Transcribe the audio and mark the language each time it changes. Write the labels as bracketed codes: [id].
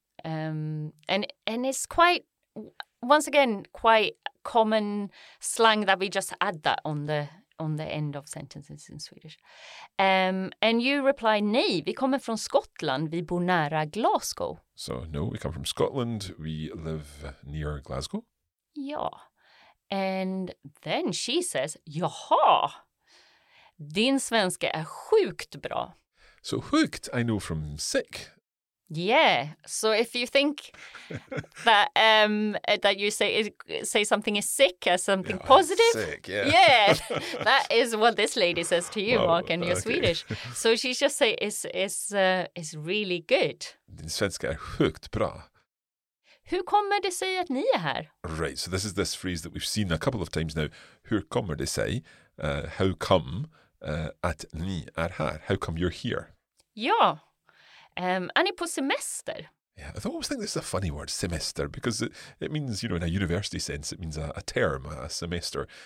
[en] And it's quite, once again, quite common slang that we just add that on the end of sentences in Swedish. And you reply, [sv] nej, vi kommer från Skottland, vi bor nära Glasgow. [en] So, no, we come from Scotland, we live near Glasgow. [sv] Ja. [en] And then she says, [sv] jaha, din svenska är sjukt bra. [en] So, sjukt, I know from sick. Yeah, so if you think that that you say something is sick as something positive, sick, yeah. That is what this lady says to you, Mark, and you're okay. Swedish. So she just say is really good. [sv] Din svenska är sjukt bra. Hur kommer det sig att ni är här? [en] Right, so this is this phrase that we've seen a couple of times now. [sv] Hur kommer det sig? [en] How come [sv] att ni är här? [en] How come you're here? Ja. And it was semester. Yeah, I always think this is a funny word, semester, because it means, you know, in a university sense, it means a term, a semester.